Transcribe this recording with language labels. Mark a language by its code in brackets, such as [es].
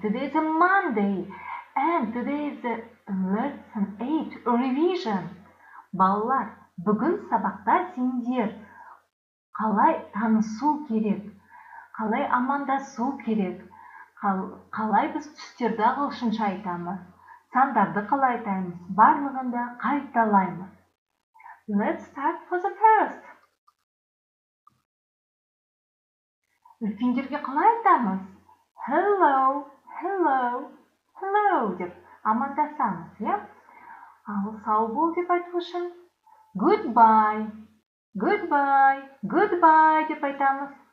[en] Today is a Monday, and today is a lesson 8 revision. [kk] Балалар, бүгін сабақта сендер қалай танысу керек, қалай амандасу керек, қалай біз түстерді ағылшынша айтамыз, сандарды қалай айтамыз, барлығында қайталаймыз. [en] Let's start for the first. [kk] Үлкендерге қалай айтамыз? [en] Hello, hello, hello [kk] деп амандасамыз, иә? Ал сау бол деп айту үшін [en] goodbye, goodbye, goodbye [kk] деп айтамыз.